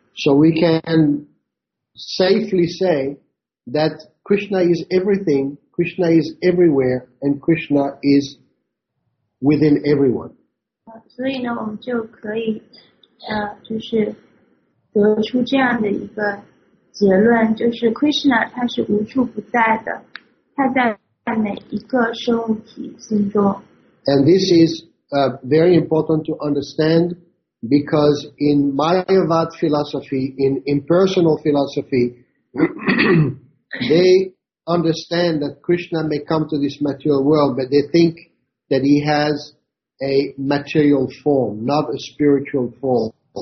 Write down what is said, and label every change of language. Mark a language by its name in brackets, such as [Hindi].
[English] So we can safely say that Krishna is everything, Krishna is everywhere, and Krishna is within everyone. [Chinese] 所以呢，我们就可以就是得出这样的一个结论，就是Krishna他是无处不在的，他在。 [English] And this is very important to understand because in Mayavad philosophy, in impersonal philosophy, they understand that Krishna may come to this material world, but they think that he has a material form, not a spiritual form.